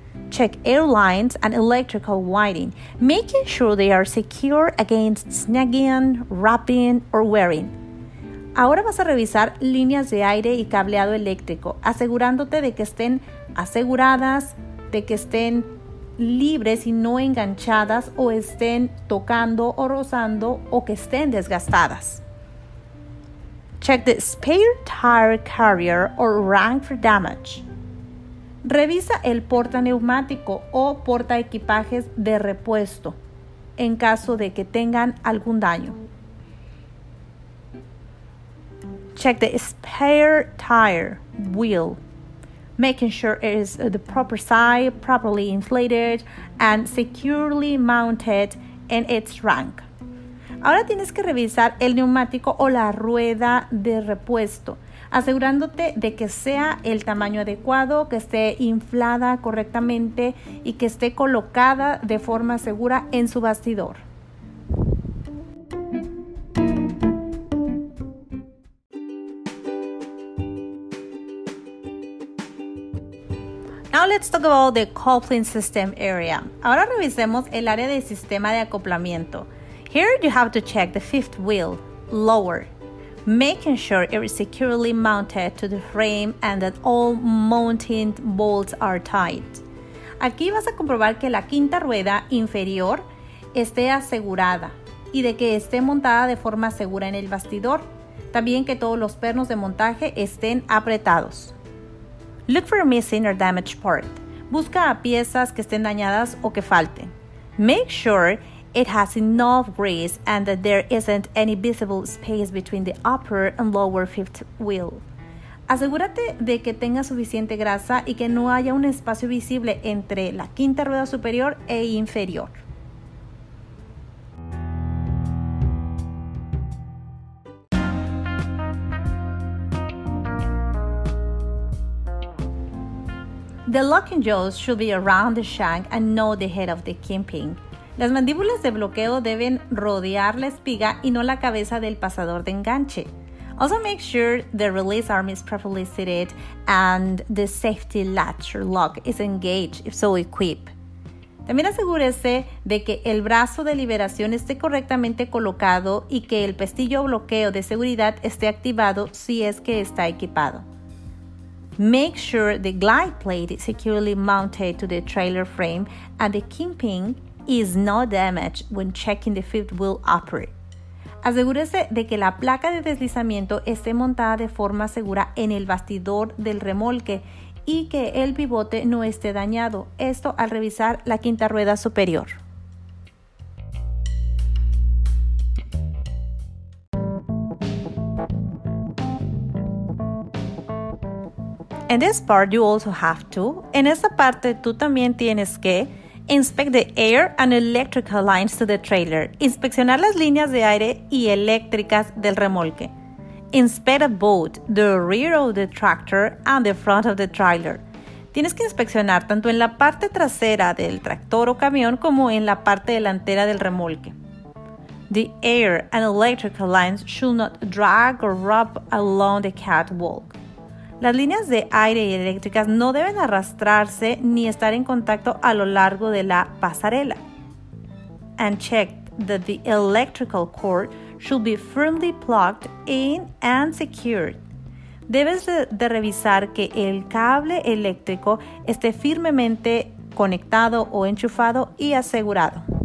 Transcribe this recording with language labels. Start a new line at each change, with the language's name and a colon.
English: Check air lines and electrical wiring, making sure they are secure against snagging, wrapping, or wearing.
Spanish: Ahora vas a revisar líneas de aire y cableado eléctrico, asegurándote de que estén aseguradas, de que estén libres y no enganchadas o estén tocando o rozando o que estén desgastadas.
English: Check the spare tire carrier or rack for damage.
Spanish: Revisa el porta neumático o porta equipajes de repuesto en caso de que tengan algún daño.
English: Check the spare tire wheel, making sure it is the proper size, properly inflated and securely mounted in its rack.
Spanish: Ahora tienes que revisar el neumático o la rueda de repuesto, asegurándote de que sea el tamaño adecuado, que esté inflada correctamente y que esté colocada de forma segura en su bastidor.
English: Now let's talk about the coupling system area.
Spanish: Ahora revisemos el área de sistema de acoplamiento.
English: Here you have to check the fifth wheel, lower, making sure it is securely mounted to the frame and that all mounting bolts are tight.
Spanish: Aquí vas a comprobar que la quinta rueda inferior esté asegurada y de que esté montada de forma segura en el bastidor. También que todos los pernos de montaje estén apretados.
English: Look for a missing or damaged part.
Spanish: Busca a piezas que estén dañadas o que falten.
English: Make sure it has enough grease and that there isn't any visible space between the upper and lower fifth wheel.
Spanish: Asegúrate de que tenga suficiente grasa y que no haya un espacio visible entre la quinta rueda superior e inferior.
English: The locking jaws should be around the shank and not the head of the kingpin.
Spanish: Las mandíbulas de bloqueo deben rodear la espiga y no la cabeza del pasador de enganche.
English: Also make sure the release arm is properly seated and the safety latch or lock is engaged if so equipped.
Spanish: También asegúrese de que el brazo de liberación esté correctamente colocado y que el pestillo o bloqueo de seguridad esté activado si es que está equipado.
English: Make sure the glide plate is securely mounted to the trailer frame and the kingpin is not damaged when checking the fifth wheel upper.
Spanish: Asegúrese de que la placa de deslizamiento esté montada de forma segura en el bastidor del remolque y que el pivote no esté dañado. Esto al revisar la quinta rueda superior.
English: In this part, you also have to.
Spanish: En esta parte, tú también tienes que.
English: Inspect the air and electrical lines to the trailer.
Spanish: Inspeccionar las líneas de aire y eléctricas del remolque.
English: Inspect both the rear of the tractor and the front of the trailer.
Spanish: Tienes que inspeccionar tanto en la parte trasera del tractor o camión como en la parte delantera del remolque.
English: The air and electrical lines should not drag or rub along the catwalk.
Spanish: Las líneas de aire y eléctricas no deben arrastrarse ni estar en contacto a lo largo de la pasarela.
English: And check that the electrical cord should be firmly plugged in and secured.
Spanish: Debes de revisar que el cable eléctrico esté firmemente conectado o enchufado y asegurado.